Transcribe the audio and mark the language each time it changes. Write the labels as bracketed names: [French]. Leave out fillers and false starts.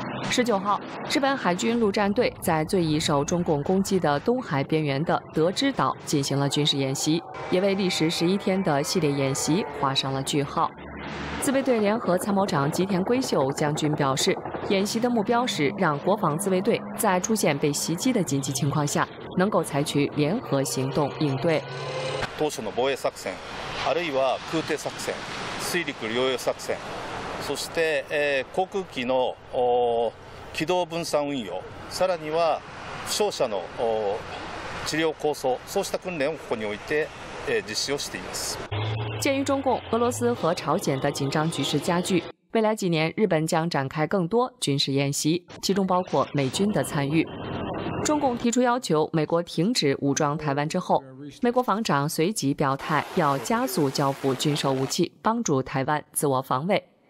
[Chinese] 19号，日本海军陆战队在最易受中共攻击的东海边缘的德之岛进行了军事演习，也为历时11天的系列演习画上了句号。自卫队联合参谋长吉田圭秀将军表示，演习的目标是让国防自卫队在出现被袭击的紧急情况下，能够采取联合行动应对。 [Japanese] 当初的防衛作戦、あるいは空挺作戦、水陸両用作戦、そして航空機の機動分散運用、さらには負傷者の治療構想、そうした訓練をここに置いて実施をしています。 [Chinese] 鉴于中共、俄罗斯和朝鲜的紧张局势加剧，未来几年日本将展开更多军事演习，其中包括美军的参与。中共提出要求美国停止武装台湾之后，美国防长随即表态要加速交付军售武器，帮助台湾自我防卫。